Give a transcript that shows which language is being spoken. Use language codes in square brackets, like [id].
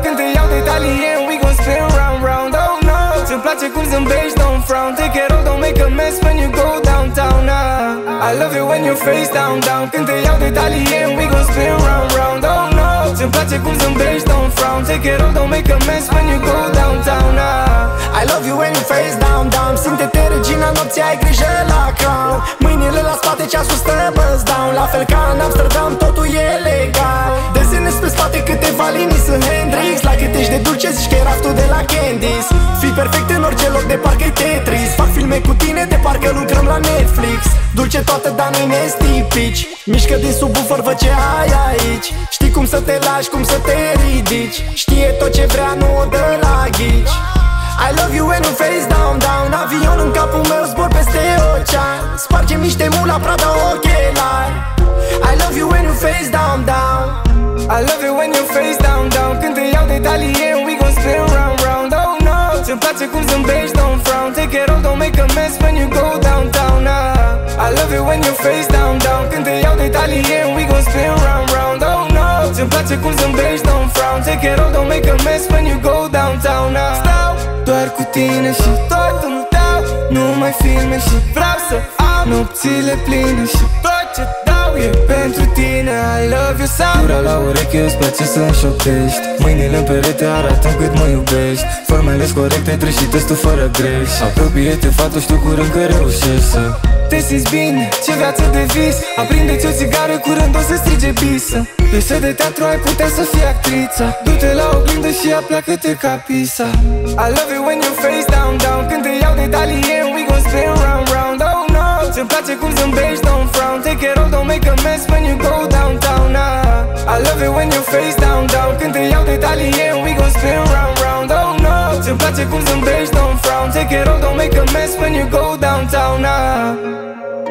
[ro] Când te iau de talie [en] and we gon' spin round, round. Oh no, [ro] ce-mi place cum zâmbești, [en] don't frown. Take it all, don't make a mess when you go downtown, ah. I love it when you face down, down. [ro] Când te iau de talie [en] and we gon' spin round, round. Oh no, [ro] ce-mi place cum zâmbești, [en] don't frown. Take it all, don't make a mess when you go downtown, ah. I love you when you face down, down. [ro] Simte-te regina nopții, ai grijă la crown. Mâinile la spate, ceasul stă buzz down. La fel ca în Amsterdam, totul e legal. Câteva linii sunt Hendrix. La cât ești de dulce, zici că e raftul de la Candice. Fii perfect în orice loc, de parcă-i Tetris. Fac filme cu tine, de parcă lucrăm la Netflix. Dulce toată, dar nu-i nestipici. Mișcă din subwoofer, văd ce ai aici. Știi cum să te lași, cum să te ridici. Știe tot ce vrea, nu o dă la ghici. [en] I love you when you face down, down. [ro] Avion în capul meu, zbor peste ocean. Spargem niște mula, Prada, ochelari. [en] I love you when you face down, down. I love it when you face down, down. [ro] Când te iau de talie [en] and we gon' spin round, round. Oh no, [ro] ce-mi place cum zâmbești, [en] don't frown. Take it all, don't make a mess when you go downtown, ah. I love it when you face down, down. [ro] Când te iau de talie [en] and we gon' spin round, round. Oh no, [ro] ce-mi place cum zâmbești, [en] don't frown. Take it all, don't make a mess when you go downtown, ah. [ro] Stau doar cu tine și totul tău. Nu mai filme și vreau să am nopțile pline și tot ce dau e pentru tine. [en] I love you so. [ro] Dura la ureche, îți place să-mi șoptești. Mâinile în perete arată cât mă iubești. Formele-s corecte, treci și testul fără greș. Apropie-te, fata, știu curând că reușești să te simți bine, ce viață de vis. Aprinde-ți o țigară, curând o să strige bisă. Piesă de teatru, ai putea să fii actrița. Du-te la oglindă și ea pleacă-te ca pisa. [en] I love it when you face down, down. [ro] Când te iau de talie [en] and we gon' spin round, round. Oh no, [ro] ce-mi place cum zâmbești, [en] don't frown. Take it all, don't make a mess when you go downtown, ah. I love it when you face down, down. [ro] Când te iau de talie [en] and we gon' spin round, round. Oh no, [ro] ce-mi place cum zâmbești, [en] don't frown. Take it all, don't make a mess when you go downtown, ah.